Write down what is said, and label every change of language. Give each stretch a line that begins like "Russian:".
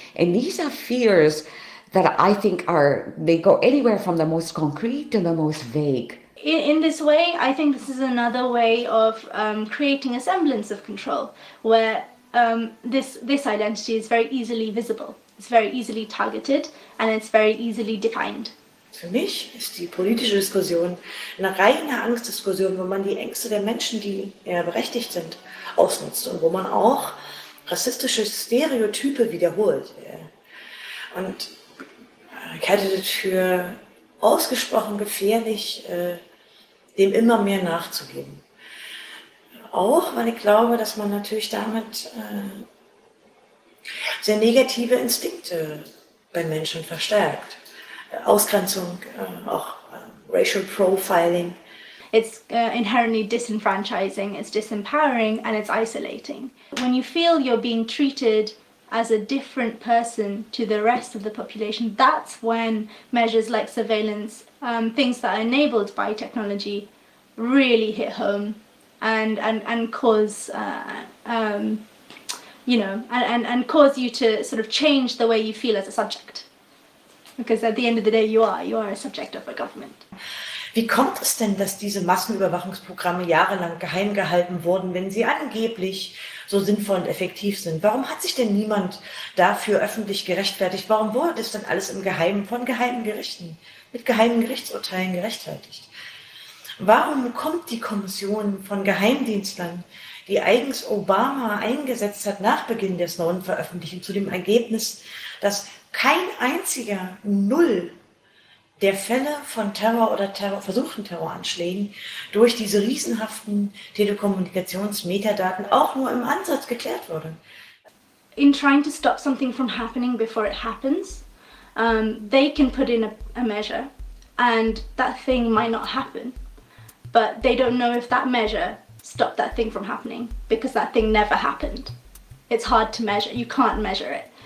English: And these are fears that I think they go anywhere from the most concrete to the most vague. In this way, I think this is another way of creating a semblance of control, where this identity is very easily visible, it's very easily targeted, and it's very easily defined.
German: Für mich ist die politische Diskussion eine reine Angstdiskussion, wo man die Ängste der Menschen, die eher berechtigt sind, ausnutzt und wo man auch rassistische Stereotype wiederholt. Und ich halte das für ausgesprochen gefährlich, dem immer mehr nachzugeben. Auch, weil ich glaube, dass man natürlich damit sehr negative Instinkte bei Menschen verstärkt. Ausgrenzung, auch racial profiling.
English: It's inherently disenfranchising, it's disempowering, and it's isolating. When you feel you're being treated as a different person to the rest of the population, that's when measures like surveillance, things that are enabled by technology, really hit home and cause you to sort of change the way you feel as a subject. Because at the end of the day, you are a subject of a government.
German: Wie kommt es denn, dass diese Massenüberwachungsprogramme jahrelang geheim gehalten wurden, wenn sie angeblich so sinnvoll und effektiv sind? Warum hat sich denn niemand dafür öffentlich gerechtfertigt? Warum wurde es dann alles im Geheimen von geheimen Gerichten, mit geheimen Gerichtsurteilen gerechtfertigt? Warum kommt die Kommission von Geheimdienstlern, die eigens Obama eingesetzt hat nach Beginn der Snowden-Veröffentlichung, zu dem Ergebnis, dass kein einziger Null der Fälle von Terror oder versuchten Terroranschlägen durch diese riesenhaften Telekommunikationsmetadaten auch nur im Ansatz geklärt wurde?
English: In trying to stop something from happening before it happens, they can put in a measure and that thing might not happen. But they don't know if that measure stopped that thing from happening because that thing never happened. It's hard to measure. You can't measure it.